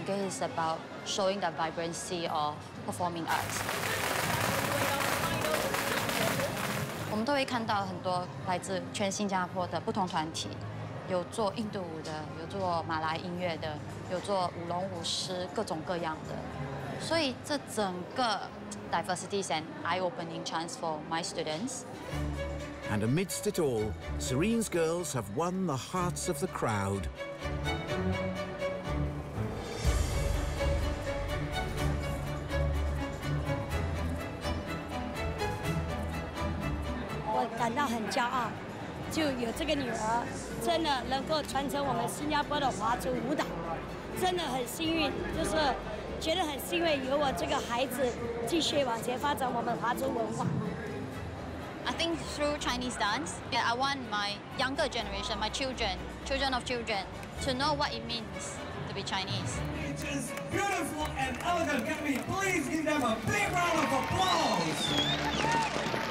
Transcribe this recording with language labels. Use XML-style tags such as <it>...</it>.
<en>It's about showing the vibrancy of performing arts.</en> <zh>我们都会看到很多来自全新加坡的不同团体，有做印度舞的，有做马来音乐的，有做舞龙舞狮，各种各样的。所以这整个</zh> <en>diversity is an eye-opening chance for my students. And amidst it all, Serene's girls have won the hearts of the crowd.</en> <zh>感到很骄傲，就有这个女儿，真的能够传承我们新加坡的华族舞蹈，真的很幸运，就是觉得很幸运有我这个孩子继续往前发展我们华族文化。</zh> <en>I think through Chinese dance, yeah, I want my younger generation, my children, children of children, to know what it means to be Chinese. It's beautiful and elegant. Can we please give them a big round of applause?</en>